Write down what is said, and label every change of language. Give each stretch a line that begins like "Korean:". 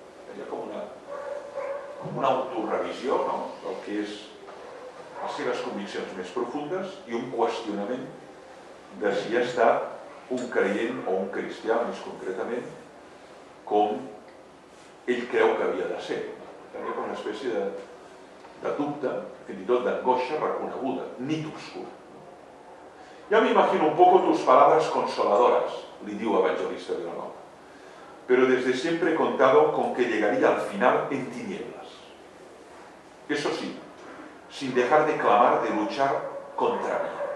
Spanish: Sería como una autorrevisión, ¿no? Lo que es las seves convicciones más profundas y un cuestionamiento de si ya está un creyente o un cristiano, más concretamente,
Catalan: com ell creu que havia de ser. Tenia com una espècie de dubte, fins i tot d'angoixa reconeguda, nit obscura. Ja m'imagino
Spanish: un poco tus palabras consoladoras,
Catalan: li diu
Spanish: Evangelista de Vilanova, pero desde siempre he contado con que llegaría al final en tinieblas. Eso sí, sin dejar de clamar, de luchar contra mí.